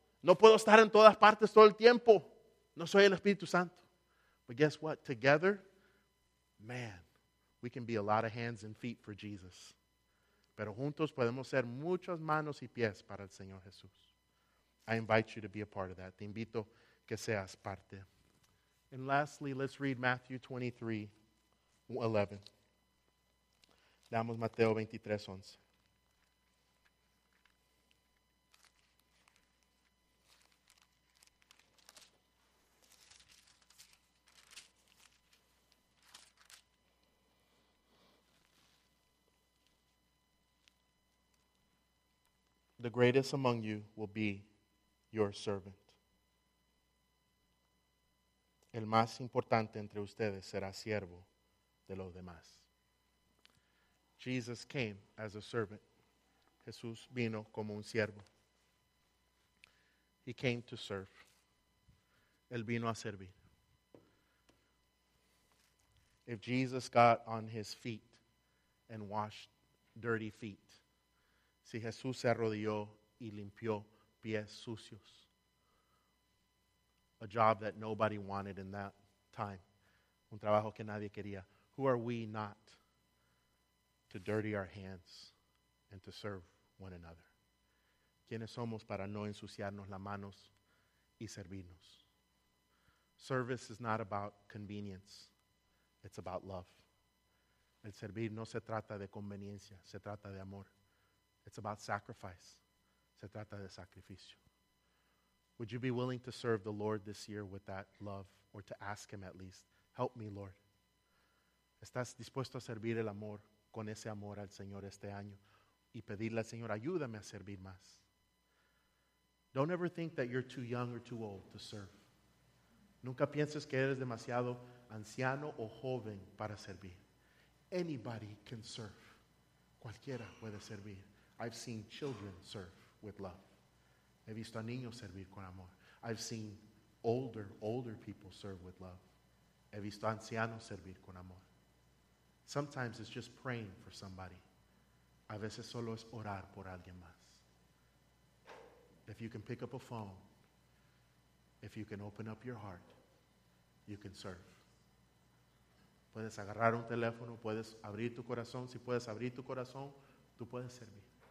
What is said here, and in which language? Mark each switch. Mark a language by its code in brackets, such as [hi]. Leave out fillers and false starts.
[es] No puedo estar en todas partes todo el tiempo. No soy el Espíritu Santo. [en] But guess what? Together, man, we can be a lot of hands and feet for Jesus. [es] Pero juntos podemos ser muchas manos y pies para el Señor Jesús. [en] I invite you to be a part of that. [es] Te invito que seas parte. [en] And lastly, let's read Matthew 23, 11. [es] Leamos Mateo 23, 11. [en] The greatest among you will be your servant. [es] El más importante entre ustedes será siervo de los demás. [en] Jesus came as a servant. [es] Jesús vino como un siervo. [en] He came to serve. [es] Él vino a servir. [en] If Jesus got on his feet and washed dirty feet, [es] si Jesús se arrodilló y limpió pies sucios, [en] a job that nobody wanted in that time, [es] un trabajo que nadie quería, [en] who are we not to dirty our hands and to serve one another? [es] ¿Quiénes somos para no ensuciarnos las manos y servirnos? [en] Service is not about convenience. It's about love. [es] El servir no se trata de conveniencia, se trata de amor. [en] It's about sacrifice. [es] Se trata de sacrificio. [en] Would you be willing to serve the Lord this year with that love, or to ask him at least, help me, Lord? [es] ¿Estás dispuesto a servir el amor con ese amor al Señor este año y pedirle al Señor, ayúdame a servir más? [en] Don't ever think that you're too young or too old to serve. [es] Nunca pienses que eres demasiado anciano o joven para servir. [en] Anybody can serve. [es] Cualquiera puede servir. [en] I've seen children serve with love. [es] He visto a niños servir con amor. [en] I've seen older people serve with love. [es] He visto ancianos servir con amor. [en] Sometimes it's just praying for somebody. [es] A veces solo es orar por alguien más. [en] If you can pick up a phone, if you can open up your heart, you can serve. [es] Puedes agarrar un teléfono, puedes abrir tu corazón. Si puedes abrir tu corazón, tú puedes servir.